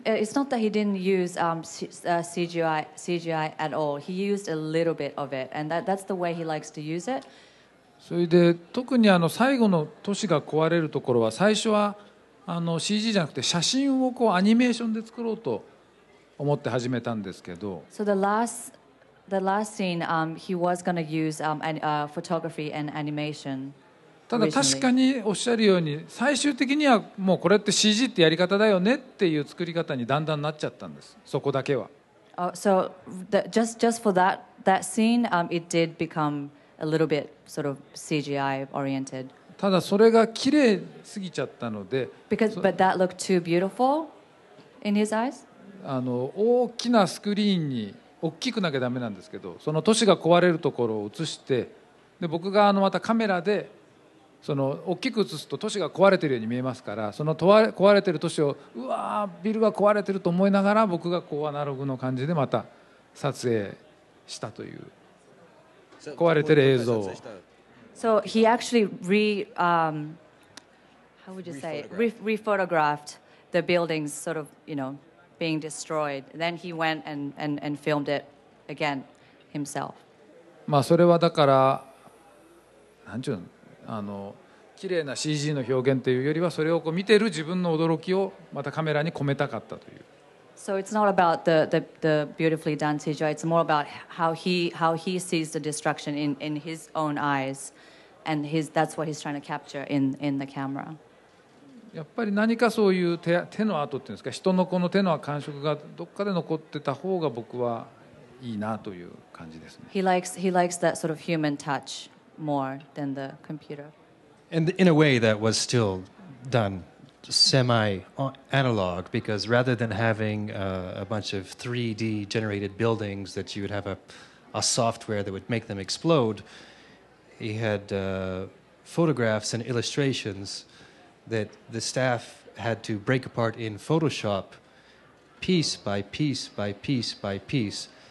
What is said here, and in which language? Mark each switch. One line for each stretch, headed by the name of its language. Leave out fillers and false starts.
English: It's not that he didn't use CGI at all. He used a little bit of it, and that's the way he likes to use it.
Japanese: それで特に最後の都市が壊れるところは、最初はCG じゃなくて写真をこうアニメーションで作ろうと。思って始めたんですけど、
English: So the last scene he was going to use photography and animation、
Japanese: ただ確かにおっしゃるように最終的にはもうこれって CG ってやり方だよねっていう作り方にだんだんなっちゃったんです、そこだけは。
English: So just for that scene it did become a little bit sort of CGI oriented、
Japanese: ただそれが綺麗すぎちゃったので、
English: But that looked too beautiful in his eyes?
Japanese: 大きなスクリーンに大きくなきゃダメなんですけど、その都市が壊れるところを映して、で僕がまたカメラでその大きく映すと都市が壊れているように見えますから、その壊れている都市をうわービルが壊れていると思いながら、僕がこうアナログの感じでまた撮影したという、壊れている映像を。
English: So he actually how would you say re-photographed the buildings sort of you knowbeing destroyed. Then he went and filmed it again himself.
Japanese: まあそれはだから、なんちゅう、綺麗な CG の表現というよりは、それをこう見てる自分の驚きをまたカメラに込めたかったという。
English: So it's not about the beautifully done CGI. It's more about how he sees the destruction in his own eyes, and that's what he's trying to capture in the camera.
Japanese: やっぱり何かそういう 手の跡っていうんですか、人のこの手の感触がどっかで残ってた方が僕はいいなという感じですね。
English: He likes that sort of human touch more than the computer. And in a way that was still done semi analog, because rather than having a bunch of 3D generated buildings that you would have a software that would make them explode, he had photographs and illustrationsthat the staff had to break apart in Photoshop piece by piece by piece by piece.